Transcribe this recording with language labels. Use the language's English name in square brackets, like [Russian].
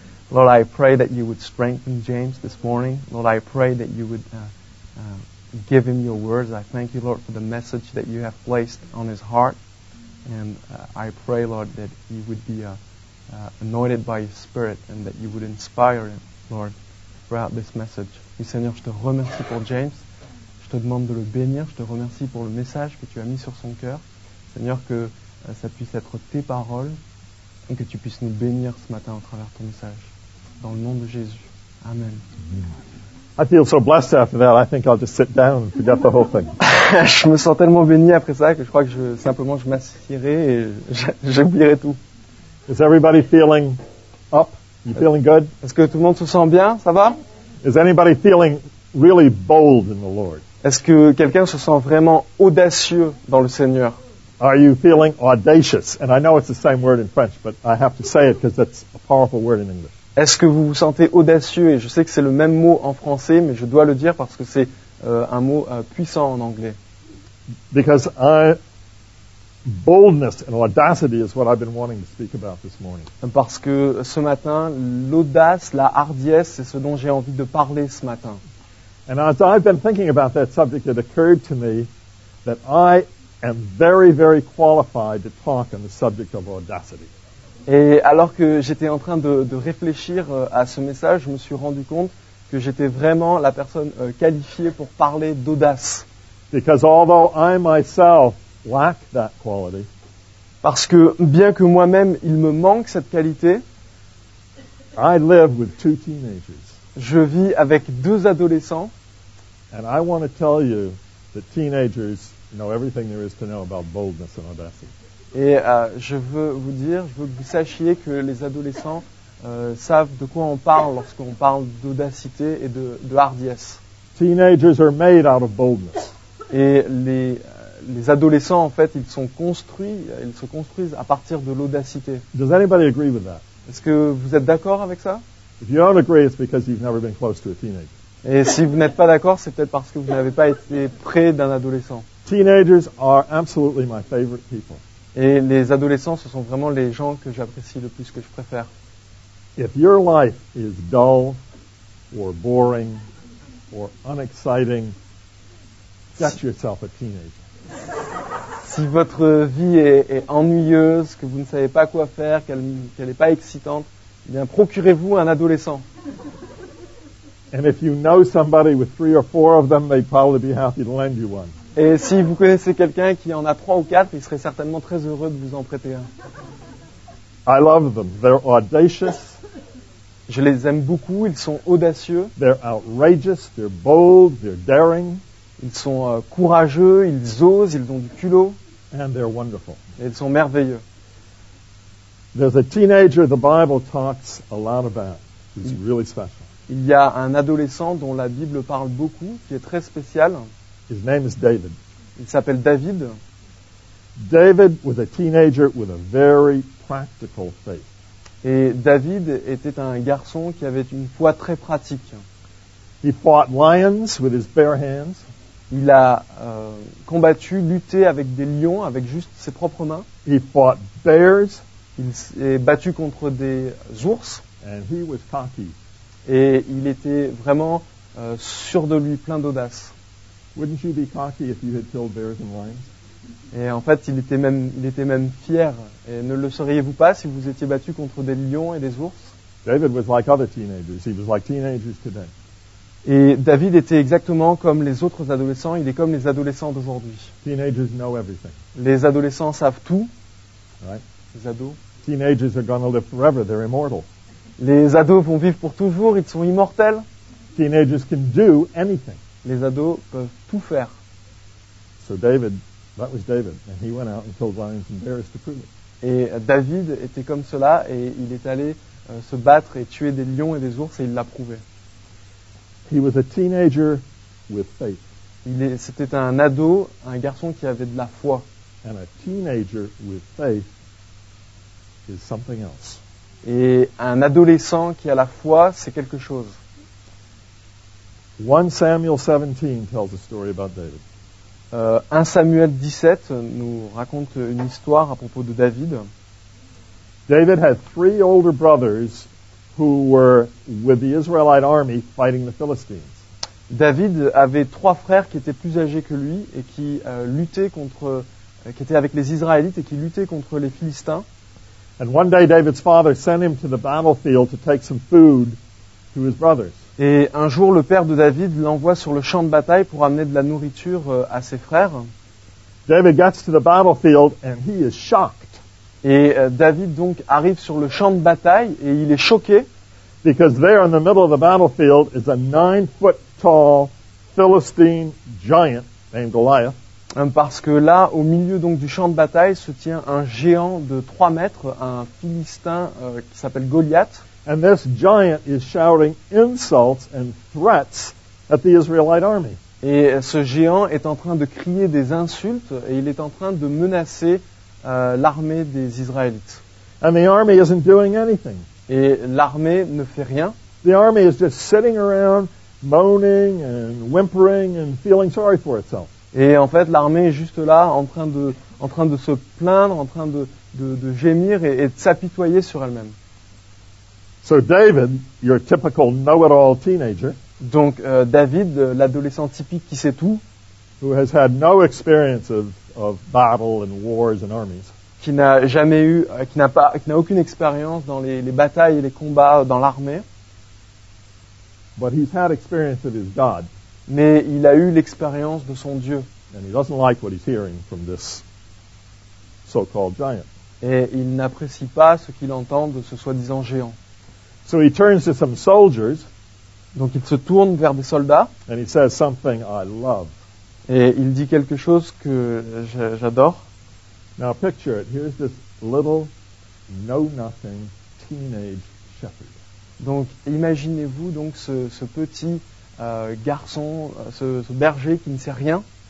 [English] Lord, I pray that you would strengthen James this morning. Lord, I pray that you would give him your words. I thank you, Lord, for the message that you have placed on his heart. And I pray, Lord, that you would be anointed by your Spirit and that you would inspire him, Lord, throughout this message. [French] Oui, Seigneur, je te remercie pour James. Je te demande de le bénir. Je te remercie pour le message que tu as mis sur son cœur. Seigneur, que ça puisse être tes paroles et que tu puisses nous bénir ce matin à travers ton message. Dans le nom de Jésus. Amen. [English] I feel so blessed after that. I think I'll just sit down and forget the whole thing. [French] Je me sens tellement béni après ça que je crois que simplement je m'assierai et j'oublierai tout. [English] Is everybody feeling up? You feeling good? [French] Est-ce que tout le monde se sent bien? Ça va? [English] Is anybody feeling really bold in the Lord? [French] Est-ce que quelqu'un se sent vraiment audacieux dans le Seigneur? [English] Are you feeling audacious? And I know it's the same word in French, but I have to say it because it's a powerful word in English. [French] Est-ce que vous vous sentez audacieux? Et je sais que c'est le même mot en français, mais je dois le dire parce que c'est un mot puissant en anglais. [English] Because boldness and audacity is what I've been wanting to speak about this morning. [French] Parce que ce matin, l'audace, la hardiesse, c'est ce dont j'ai envie de parler ce matin. [English] And as I've been thinking about that subject, it occurred to me that I am very, very qualified to talk on the subject of audacity. [French] Et alors que j'étais en train de réfléchir à ce message, je me suis rendu compte que j'étais vraiment la personne qualifiée pour parler d'audace. [English] Because although I myself lack that quality, [French] parce que bien que moi-même il me manque cette qualité, [English] I live with two teenagers. [French] Je vis avec deux adolescents. [English] And I want to tell you that teenagers know everything there is to know about boldness and audacity. [French] Et je veux vous dire, je veux que vous sachiez que les adolescents savent de quoi on parle lorsqu'on parle d'audacité et de hardiesse. [English] Teenagers are made out of boldness. [French] Et les adolescents, en fait, ils se construisent à partir de l'audacité. [English] Does anybody agree with that? [French] Est-ce que vous êtes d'accord avec ça? [English] If you don't agree, it's because you've never been close to a teenager. [French] Et si vous n'êtes pas d'accord, c'est peut-être parce que vous n'avez pas été près d'un adolescent. [English] Teenagers are absolutely my favorite people. [French] Et les adolescents, ce sont vraiment les gens que j'apprécie le plus, que je préfère. [English] If your life is dull or boring or unexciting, get yourself a teenager. [French] Si votre vie est ennuyeuse, que vous ne savez pas quoi faire, qu'elle n'est pas excitante, eh bien, procurez-vous un adolescent. [English] And if you know somebody with three or four of them, they'd probably be happy to lend you one. [French] Et si vous connaissez quelqu'un qui en a trois ou quatre, il serait certainement très heureux de vous en prêter un. [English] I love them. They're audacious. [French] Je les aime beaucoup. Ils sont audacieux. [English] They're outrageous. They're bold. They're daring. [French] Ils sont courageux. Ils osent. Ils ont du culot. [English] And they're wonderful. [French] Et ils sont merveilleux. [English] There's a teenager the Bible talks a lot about. He's really special. [French] Il y a un adolescent dont la Bible parle beaucoup, qui est très spécial. [English] His name is David. [French] Il s'appelle David. [English] David was a teenager with a very practical faith. [French] Et David était un garçon qui avait une foi très pratique. [English] He fought lions with his bare hands. [French] Il a lutté avec des lions, avec juste ses propres mains. [English] He fought bears. [French] Il s'est battu contre des ours. [English] And he was cocky. [French] Et il était vraiment sûr de lui, plein d'audace. [English] Wouldn't you be cocky if you had killed bears and lions? [French] Et en fait, il était même fier. Et ne le seriez-vous pas si vous étiez battu contre des lions et des ours? [English] David was like other teenagers. He was like teenagers today. [French] Et David était exactement comme les autres adolescents. Il est comme les adolescents d'aujourd'hui. [English] Teenagers know everything. [French] Les adolescents savent tout. [English] Right. [French] Les ados. [English] Teenagers are going to live forever. They're immortal. [French] Les ados vont vivre pour toujours. Ils sont immortels. [English] Teenagers can do anything. [French] Les ados peuvent tout faire. [English] So David, that was David, and he went out and killed lions and bears to prove it. [French] Et David était comme cela, et il est allé se battre et tuer des lions et des ours, et il l'a prouvé. [English] He was a teenager with faith. [French] C'était un ado, un garçon qui avait de la foi. [English] And a teenager with faith is something else. [French] Et un adolescent qui a la foi, c'est quelque chose. [English] 1 Samuel 17 tells a story about David. [French] 1 Samuel 17 nous raconte une histoire à propos de David. [English] David had three older brothers who were with the Israelite army fighting the Philistines. [French] David avait trois frères qui étaient plus âgés que lui et qui luttaient contre qui étaient avec les Israélites et qui luttaient contre les Philistins. [English] And one day David's father sent him to the battlefield to take some food to his brothers. [French] Et un jour le père de David l'envoie sur le champ de bataille pour amener de la nourriture à ses frères. [English] David gets to the battlefield and he is shocked. [French] Et David donc arrive sur le champ de bataille et il est choqué. [English] Because there in the middle of the battlefield is a 9-foot tall Philistine giant named Goliath. [French] Parce que là, au milieu donc du champ de bataille, se tient un géant de 3 mètres, un Philistin qui s'appelle Goliath. [English] And this giant is shouting insults and threats at the Israelite army. [French] Et ce géant est en train de crier des insultes et il est en train de menacer l'armée des Israélites. [English] And the army isn't doing anything. [French] Et l'armée ne fait rien. [English] The army is just sitting around, moaning and whimpering and feeling sorry for itself. [French] Et en fait, l'armée est juste là, en train de se plaindre, en train de gémir et de s'apitoyer sur elle-même. [English] So David, your typical know-it-all teenager. [French] Donc David, l'adolescent typique qui sait tout, [English] who has had no experience of battle and wars and armies. [French] Qui n'a jamais eu, qui n'a aucune expérience dans les batailles et les combats dans l'armée. [English] But he's had experience of his God. [French] Mais il a eu l'expérience de son Dieu. [English] And he doesn't like what he's hearing from this so-called giant. [French] Et il n'apprécie pas ce qu'il entend de ce soi-disant géant. [English] So he turns to some soldiers. [French] Donc il se tourne vers des soldats. [English] And he says something I love. [French] Et il dit quelque chose que j'adore. [English] Now picture it. Here's this little, know-nothing, teenage shepherd. [French] Donc imaginez-vous donc ce petit garçon, ce berger qui ne sait rien.